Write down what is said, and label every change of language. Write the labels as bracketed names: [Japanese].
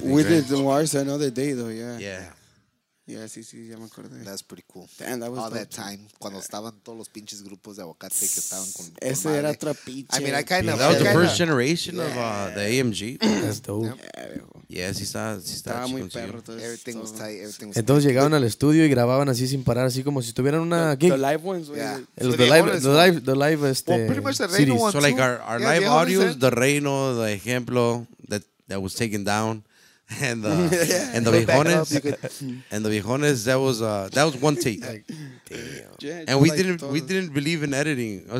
[English] We did the Wars another day, though, yeah. Yeah. [Spanish] Yeah, sí, ya me acordé. [English] That's pretty cool. Damn, that was [Spanish] all that time, cuando estaban todos los pinches grupos de aguacate que estaban con ese con era otra pinche. [English] I mean, I kind of... That was the first generation of the AMG. That's dope. [Spanish] Yeah, sí está. Estaba muy perro. [English] Everything was tight. Everything was entonces perfect. [Spanish] Llegaban al estudio y grababan así sin parar, así como si tuvieran una gig. [English] The live ones. Yeah. The live este, well, pretty much the Reino ones. So, like, our yeah, live audio, the Reino, the ejemplo that was taken down. And the viejones, and the viejones, that was one take. Like, damn. And we didn't believe in editing.